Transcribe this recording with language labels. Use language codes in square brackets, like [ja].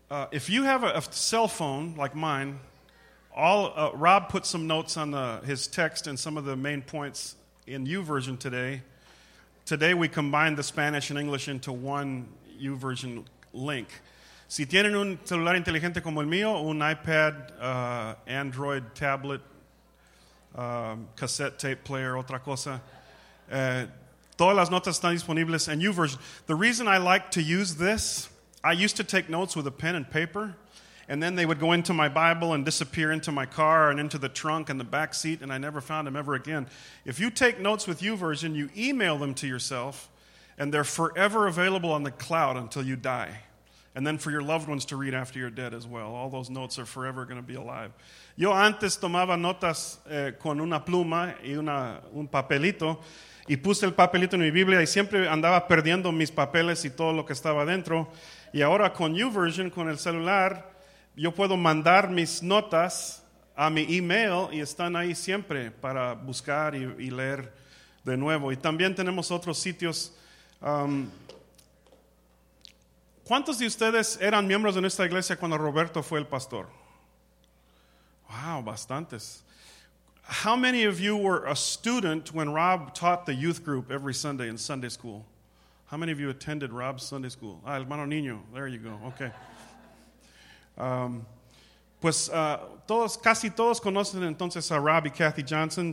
[en] If you have a cell phone like mine, Rob put some notes on his text and some of the main points in YouVersion today. Today we combined the Spanish and English into one YouVersion link. [es] Si tienen un celular inteligente como el mío, un iPad, Android tablet, cassette tape player, otra cosa, todas las notas están disponibles en YouVersion. [en] The reason I like to use this, I used to take notes with a pen and paper, and then they would go into my Bible and disappear into my car and into the trunk and the back seat, and I never found them ever again. If you take notes with YouVersion, you email them to yourself, and they're forever available on the cloud until you die. And then for your loved ones to read after you're dead as well. All those notes are forever going to be alive. [es] Yo antes tomaba notas con una pluma y un papelito, y puse el papelito en mi Biblia, y siempre andaba perdiendo mis papeles y todo lo que estaba dentro. Y ahora con YouVersion, con el celular, yo puedo mandar mis notas a mi email y están ahí siempre para buscar y leer de nuevo. Y también tenemos otros sitios. ¿Cuántos de ustedes eran miembros de nuestra iglesia cuando Roberto fue el pastor? Wow, bastantes. [en] How many of you were a student when Rob taught the youth group every Sunday in Sunday school? How many of you attended Rob's Sunday school? Ah, [es] hermano niño. [en] There you go. Okay. [es] Todos, casi todos conocen entonces a Rob y Kathy Johnson.